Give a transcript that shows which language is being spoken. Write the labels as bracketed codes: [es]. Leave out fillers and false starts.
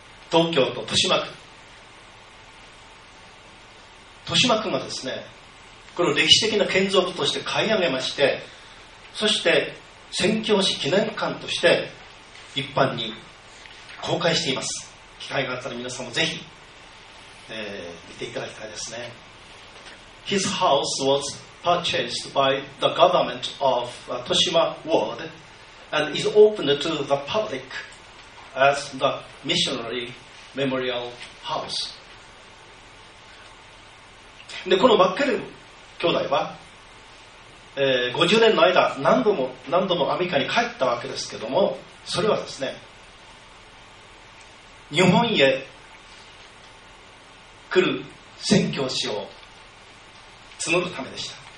[ja] 東京都豊島区、豊島区がですね、これを歴史的な建造物として買い上げまして、そして宣教師記念館として一般に公開しています。機会があったら皆さんもぜひ見ていただきたいですね。 [en] His house was purchased by the government of Toshima Ward and is open to the public as the Missionary Memorial House. [ja] で、このマッケル兄弟は、50年の間何度もアメリカに帰ったわけですけども、それはですね、日本へ来る宣教師を募るためでした。